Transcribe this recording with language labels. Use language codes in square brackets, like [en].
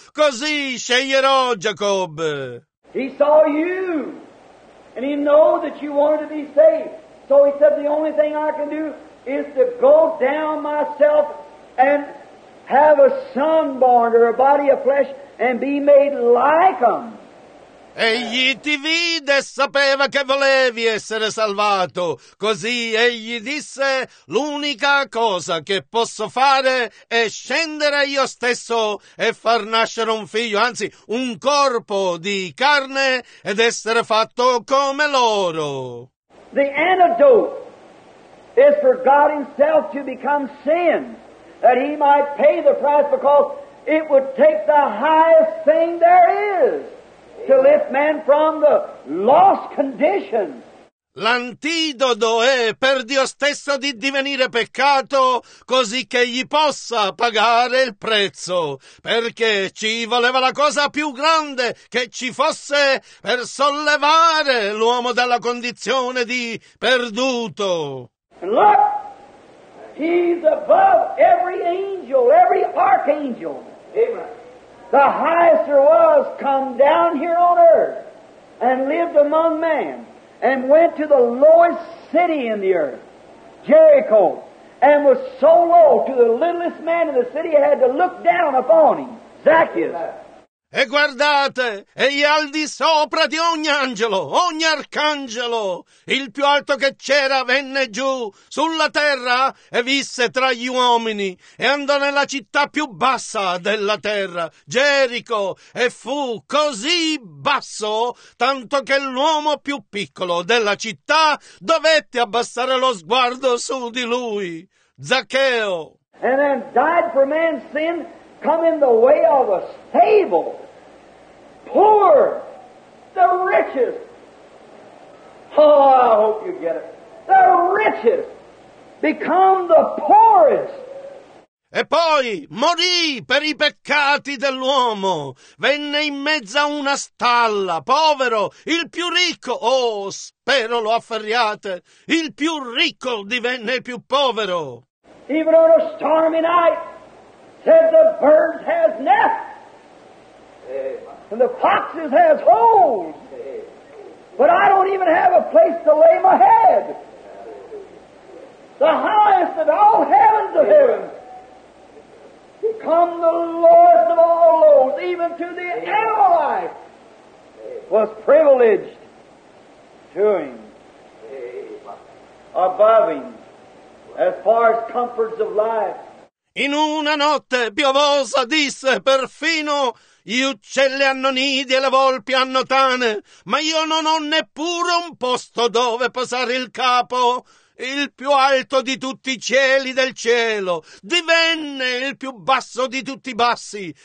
[it] Così sceglierò Giacobbe. [en] He saw you, and he knew that you wanted to be saved. So he said, the only thing I can do is to go down myself and have a son born or a body of flesh and be made like him. [it] Egli ti vide e sapeva che volevi essere salvato. Così egli disse: l'unica cosa che posso fare è scendere io stesso e far nascere un figlio, anzi un corpo di carne, ed essere fatto come loro. [en] The antidote is for God himself to become sin, that he might pay the price, because it would take the highest thing there is to lift man from the lost condition. [it] L'antidoto è per Dio stesso di divenire peccato, così che egli possa pagare il prezzo, perché ci voleva la cosa più grande che ci fosse per sollevare l'uomo dalla condizione di perduto. [en] Look, he's above every angel, every archangel. Amen. The highest there was come down here on earth and lived among men and went to the lowest city in the earth, Jericho, and was so low to the littlest man in the city had to look down upon him, Zacchaeus. Amen. [it] E guardate, egli è al di sopra di ogni angelo, ogni arcangelo. Il più alto che c'era venne giù sulla terra e visse tra gli uomini e andò nella città più bassa della terra, Gerico, e fu così basso tanto che l'uomo più piccolo della città dovette abbassare lo sguardo su di lui, Zaccheo. [en] And then died for man's sin, come in the way of a stable. Poor, the richest. Oh, I hope you get it. The richest become the poorest. [it] E poi morì per i peccati dell'uomo. Venne in mezzo a una stalla, povero, il più ricco. Oh, spero lo afferriate. Il più ricco divenne il più povero. [en] Even on a stormy night, said the bird has nest. And the foxes has holes, but I don't even have a place to lay my head. The highest of all heavens of heavens, become the lowest of all lows, even to the Amalekite, was privileged to him, above him, as far as comforts of life. [it] In una notte piovosa disse: perfino gli uccelli hanno nidi e le volpi hanno tane, ma io non ho neppure un posto dove posare il capo. Il più alto di tutti i cieli del cielo divenne il più basso di tutti i bassi.